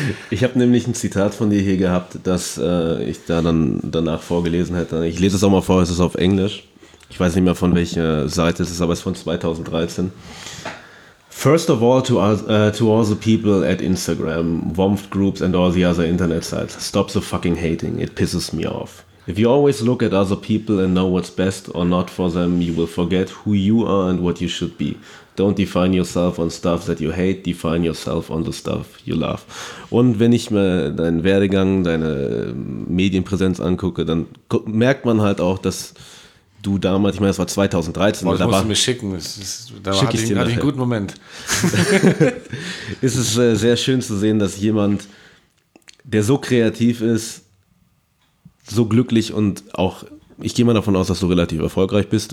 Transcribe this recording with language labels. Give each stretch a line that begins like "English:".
German: Ich habe nämlich ein Zitat von dir hier gehabt, das ich da dann danach vorgelesen hätte. Ich lese es auch mal vor, es ist auf Englisch. Ich weiß nicht mehr, von welcher Seite es ist, aber es ist von 2013.
English: First of all to all the people at Instagram, WOMF groups and all the other internet sites, stop the fucking hating, it pisses me off. If you always look at other people and know what's best or not for them, you will forget who you are and what you should be. Don't define yourself on stuff that you hate, define yourself on the stuff you love.
German: Und wenn ich mir deinen Werdegang, deine Medienpräsenz angucke, dann merkt man halt auch, dass du damals, ich meine, es war 2013. Boah, das musst du mir schicken. Hatte ich einen guten Moment. Es ist sehr schön zu sehen, dass jemand, der so kreativ ist, so glücklich und auch, ich gehe mal davon aus, dass du relativ erfolgreich bist.